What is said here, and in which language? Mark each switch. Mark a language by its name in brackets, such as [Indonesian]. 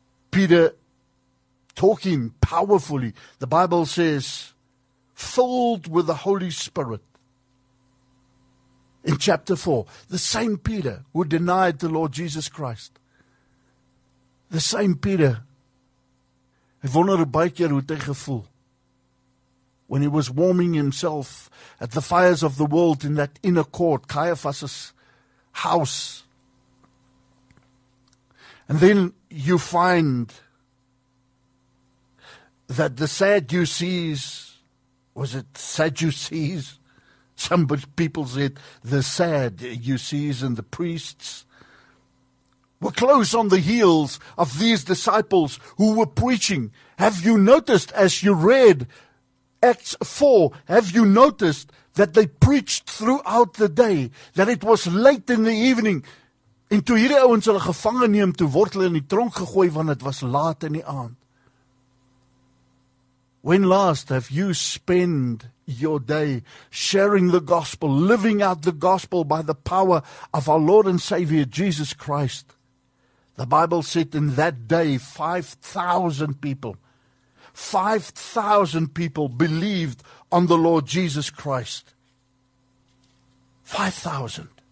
[English] Peter, talking powerfully, the Bible says, filled with the Holy Spirit. In chapter 4, the same Peter who denied the Lord Jesus Christ. The same Peter. [Afrikaans] Hy wonder baie keer hoe hy gevoel. [English] When he was warming himself at the fires of the world in that inner court, Caiaphas's house. And then you find that the Sadducees, was it Sadducees? Some people said the Sadducees and the priests were close on the heels of these disciples who were preaching. Have you noticed as you read Acts 4, have you noticed that they preached throughout the day, that it was late in the evening? [Afrikaans] En toe hierdie ouens hulle gevangen neem, toe word hulle in die tronk gegooi, want het was laat in die aand. [English] When last have you spent your day sharing the gospel, living out the gospel by the power of our Lord and Savior Jesus Christ? The Bible said in that day 5,000 people, 5,000 people believed on the Lord Jesus Christ. 5,000.